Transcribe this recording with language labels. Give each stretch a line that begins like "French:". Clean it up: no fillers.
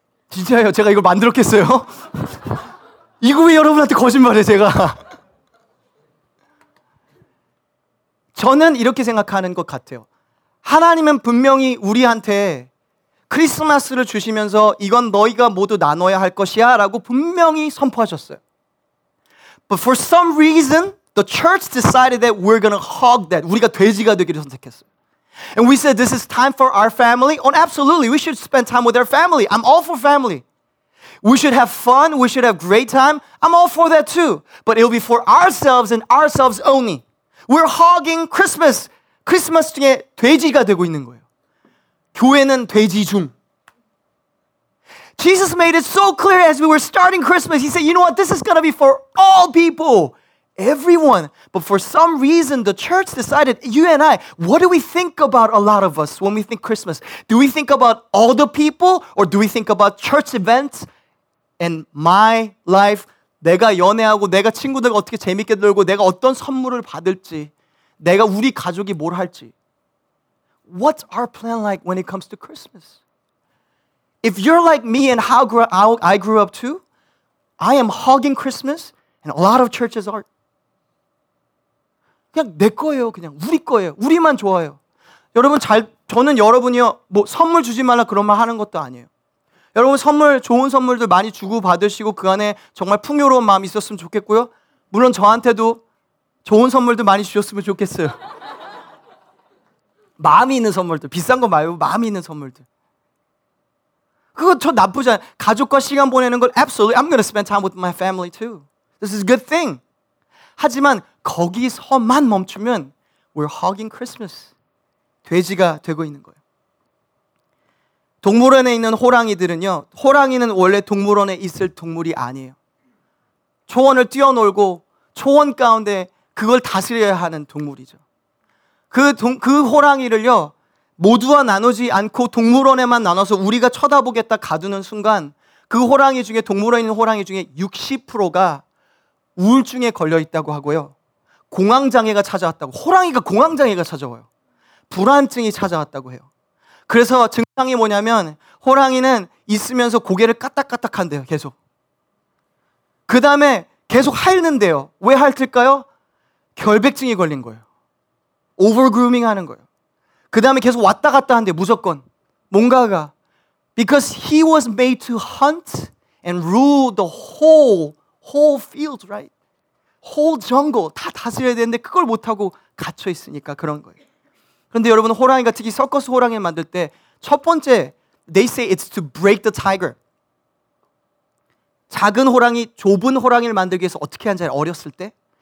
Korean: 진짜예요. 제가 이걸 만들었겠어요? 이거 왜 여러분한테 거짓말해 제가. 저는 이렇게 생각하는 것 같아요. 하나님은 분명히 우리한테 크리스마스를 주시면서 이건 너희가 모두 나눠야 할 것이야 라고 분명히 선포하셨어요.
English: But for some reason, the church decided that we're going to hug that.
Korean: 우리가 돼지가 되기를 선택했어요.
English: And we said this is time for our family. Oh, absolutely. We should spend time with our family. I'm all for family. We should have fun. We should have great time. I'm all for that too. But it'll be for ourselves and ourselves only. We're hogging Christmas.
Korean: Christmas 중에 돼지가 되고 있는 거예요. 교회는 돼지 중.
English: Jesus made it so clear as we were starting Christmas. He said, you know what? This is going to be for all people. Everyone, but for some reason, the church decided, you and I, what do we think about a lot of us when we think Christmas? Do we think about all the people or do we think about church events and my life?
Korean: 내가 연애하고 내가 친구들과 어떻게 재밌게 놀고 내가 어떤 선물을 받을지 내가 우리 가족이 뭘 할지.
English: What's our plan like when it comes to Christmas? If you're like me and how I grew up too, I am hugging Christmas and a lot of churches are
Korean: 그냥 내 거예요. 그냥 우리 거예요. 우리만 좋아요. 여러분 잘 저는 여러분이요. 뭐 선물 주지 말라 그런 말 하는 것도 아니에요. 여러분 선물 좋은 선물들 많이 주고 받으시고 그 안에 정말 풍요로운 마음이 있었으면 좋겠고요. 물론 저한테도 좋은 선물도 많이 주셨으면 좋겠어요. 마음이 있는 선물들. 비싼 거 말고 마음이 있는 선물들. 그거 저 나쁘지 않아요. 가족과 시간 보내는 걸
English: absolutely I'm going to spend time with my family too. This is a good thing.
Korean: 하지만 거기서만 멈추면
English: we're hugging Christmas.
Korean: 돼지가 되고 있는 거예요. 동물원에 있는 호랑이들은요, 호랑이는 원래 동물원에 있을 동물이 아니에요. 초원을 뛰어놀고 초원 가운데 그걸 다스려야 하는 동물이죠. 그 호랑이를요, 모두와 나누지 않고 동물원에만 나눠서 우리가 쳐다보겠다 가두는 순간 그 호랑이 중에 동물원에 있는 호랑이 중에 60%가 우울증에 걸려있다고 하고요. 공황장애가 찾아왔다고. 호랑이가 공황장애가 찾아와요. 불안증이 찾아왔다고 해요. 그래서 증상이 뭐냐면 호랑이는 있으면서 고개를 까딱까딱 한대요. 계속. 그 다음에 계속 핥는데요. 왜 핥을까요? 결백증이 걸린 거예요. 오버그루밍 하는 거예요. 그 다음에 계속 왔다 갔다 한대요. 무조건. 뭔가가.
English: Because he was made to hunt and rule the whole field, right? Whole jungle.
Korean: 다 다스려야 되는데 그걸 못하고 갇혀있으니까 그런 거예요. 그런데 여러분 호랑이가 특히 서커스 호랑이를 만들 때 첫 번째
English: they say it's to break the tiger.
Korean: 작은 호랑이, 좁은 호랑이를 만들기 위해서 어떻게 하는지 어렸을 때